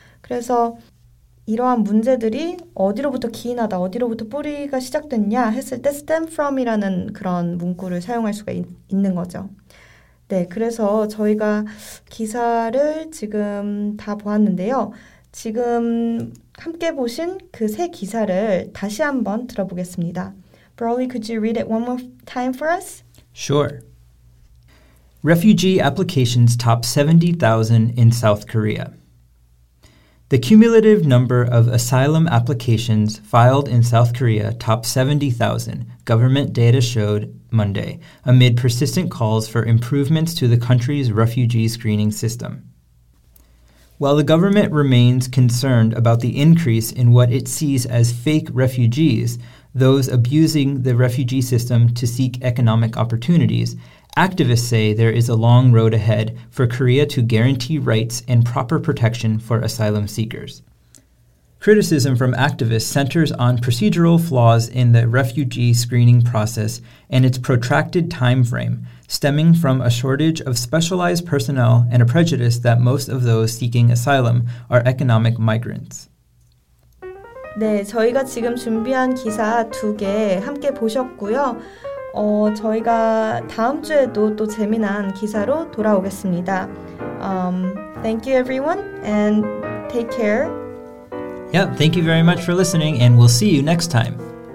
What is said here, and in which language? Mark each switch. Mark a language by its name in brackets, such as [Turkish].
[Korean] 그래서 이러한 문제들이 어디로부터 기인하다, 어디로부터 뿌리가 시작됐냐 했을 때 stem from이라는 그런 문구를 사용할 수가 있는 거죠. 네, 그래서 저희가 기사를 지금 다 보았는데요. 지금 함께 보신 그 세 기사를 다시 한번 들어보겠습니다. [English] Broly, could you read it one more time for us? Sure. Refugee applications top 70,000 in South Korea. The cumulative number of asylum applications filed in South Korea topped 70,000, government data showed Monday, amid persistent calls for improvements to the country's refugee screening system. While the government remains concerned about the increase in what it sees as fake refugees, those abusing the refugee system to seek economic opportunities, activists say there is a long road ahead for Korea to guarantee rights and proper protection for asylum seekers. Criticism from activists centers on procedural flaws in the refugee screening process and its protracted time frame, stemming from a shortage of specialized personnel and a prejudice that most of those seeking asylum are economic migrants. [Korean] 네, 저희가 지금 준비한 기사 두 개 함께 보셨고요. 저희가 다음 주에도 또 재미난 기사로 돌아오겠습니다. [English] Thank you everyone and take care. Yep, thank you very much for listening and we'll see you next time.